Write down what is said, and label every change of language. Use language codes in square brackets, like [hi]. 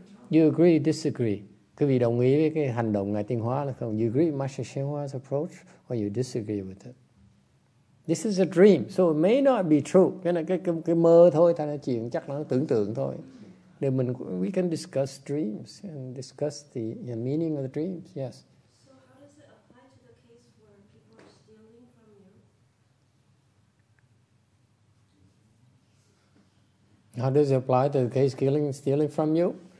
[en] You agree, disagree? [vi] Quý vị đồng ý với cái hành động Ngài Tiên Hóa là không? [en] You agree with Master Shenhua's approach or you disagree with it? This is a dream, so it may not be true. [vi] Cái mơ thôi, thành ra chuyện chắc là nó tưởng tượng thôi. Để mình, [en] we can discuss dreams and discuss the meaning of the dreams, yes. So how does it apply to the case where people are stealing from you? How does it apply to the case stealing from you?